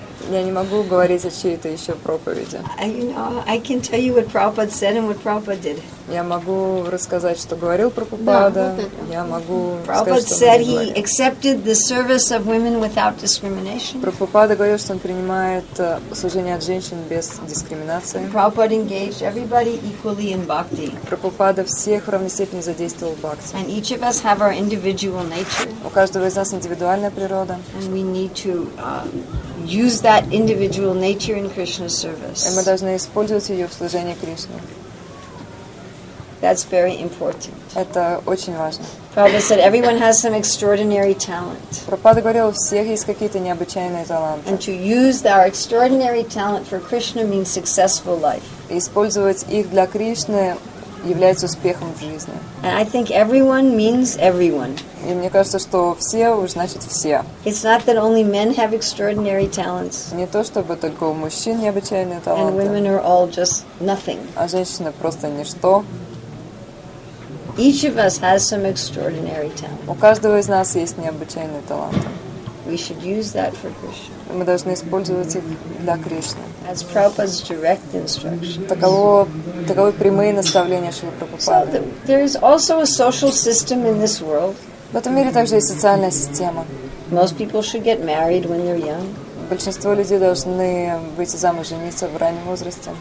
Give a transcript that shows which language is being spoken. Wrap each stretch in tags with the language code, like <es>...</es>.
<ru>Я не могу говорить о чьей-то еще проповеди.</ru> <en>You know, I can tell you what Prabhupada said and what Prabhupada did.</en> <ru>Я могу рассказать, что говорил Прабхупада. Да, вот это. Я могу</ru> <en>Prabhupada said he accepted the service of women without discrimination.</en> <ru>Прабхупада говорил, что он принимает служение от женщин без дискриминации.</ru> <en>Prabhupada engaged everybody equally in bhakti.</en> <ru>Прабхупада всех в равной степени задействовал в бхакти.</ru> <en>And each of us have our individual nature.</en> <ru>У каждого из нас индивидуальная природа.</ru> <en>And we need to use that individual nature in Krishna's service.</en> <ru>И мы должны использовать ее в служении Кришне.</ru> <en>That's very important.</en> <ru>Это очень важно.</ru> <en>Prabhupada said everyone has some extraordinary talent.</en> <ru>Прабхупада говорил, у всех есть какие-то необычайные таланты.</ru> <en>And to use our extraordinary talent for Krishna means successful life.</en> <ru>Использовать их для Кришны является успехом в жизни.</ru> <en>And I think everyone means everyone.</en> <ru>И мне кажется, что все уж значит все.</ru> <en>It's not that only men have extraordinary talents.</en> <ru>Не то, чтобы только у мужчин необычайные таланты.</ru> <en>And women are all just nothing.</en> <ru>А женщины просто ничто.</ru> <en>Each of us has some extraordinary talent.</en> <ru>У каждого из нас есть необычайные таланты.</ru> <en>We should use that for Krishna.</en> <ru>Мы должны использовать их для Кришны.</ru> <en>That's Prabhupada's direct instruction.</en> <ru>Таковы прямые наставления Шрилы Прабхупады.</ru> <en>So there is also a social system in this world.</en> <ru>В этом мире также есть социальная система.</ru> <en>Most people should get married when they're young.</en> <ru>Большинство людей должны выйти замуж, жениться в раннем возрасте.</ru>